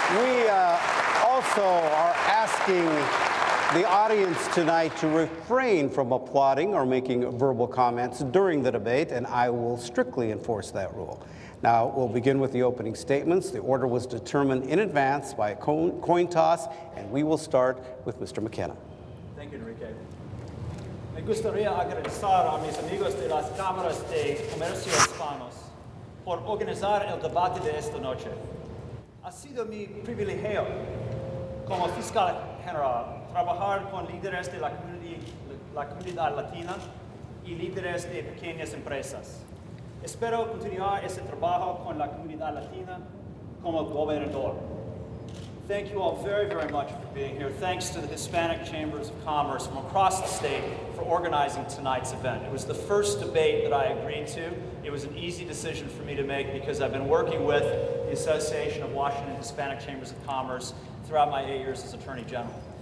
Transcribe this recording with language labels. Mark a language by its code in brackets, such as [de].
[en] We also are asking the audience tonight to refrain from applauding or making verbal comments during the debate, and I will strictly enforce that rule. Now, we'll begin with the opening statements. The order was determined in advance by a coin toss, and we will start with Mr. McKenna. Thank you, Enrique. [es] Me gustaría agradecer a mis amigos de las Cámaras de Comercio Hispanos por organizar el debate de esta noche. Ha sido mi privilegio como fiscal general trabajar con líderes de la comunidad latina y líderes de pequeñas empresas. Espero continuar ese trabajo con la comunidad latina como gobernador. [en] Thank you all very, very much for being here. Thanks to the Hispanic Chambers of Commerce from across the state for organizing tonight's event. It was the first debate that I agreed to. It was an easy decision for me to make because I've been working with the Association of Washington Hispanic Chambers of Commerce throughout my 8 years as Attorney General.